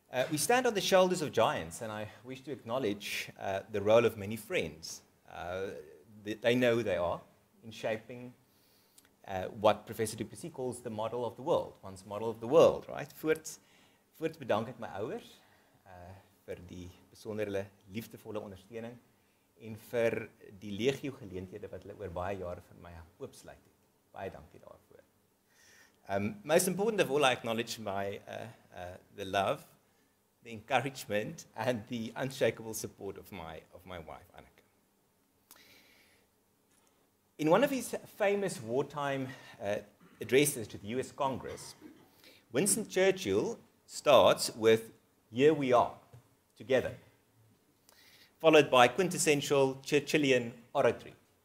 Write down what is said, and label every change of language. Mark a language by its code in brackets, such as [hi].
[en] We stand on the shoulders of giants, and I wish to acknowledge the role of many friends. They know who they are in shaping what Professor Duplessis calls the model of the world, one's model of the world, right? [af] Voort bedank ek my ouers vir die besonderle liefdevolle ondersteuning en vir die legio geleenthede wat hulle oor baie jare vir my oopsluit het. Baie dankie daarvoor. [en] Most important of all, I acknowledge my the love, the encouragement, and the unshakable support of my wife, Annika. In one of his famous wartime addresses to the US Congress, Winston Churchill starts with, "Here we are, together," followed by quintessential Churchillian oratory.